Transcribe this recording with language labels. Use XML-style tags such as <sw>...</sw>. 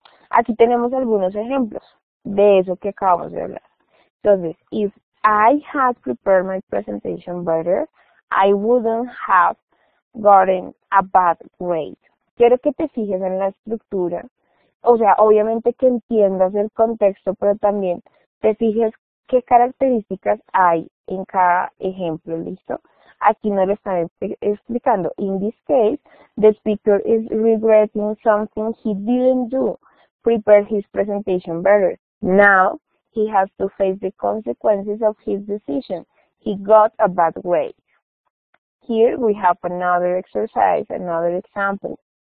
<es>Aquí tenemos algunos ejemplos de eso que acabamos de hablar.</es> <en>Entonces, if I had prepared my presentation better, I wouldn't have gotten a bad grade.</en> <es>Quiero que te fijes en la estructura. O sea, obviamente que entiendas el contexto, pero también te fijes qué características hay en cada ejemplo, ¿listo? Aquí no lo están explicando.</es> <en>In this case, the speaker is regretting something he didn't do, prepare his presentation better. Now, he has to face the consequences of his decision. He got a bad grade. Here, we have another exercise, another example.</en>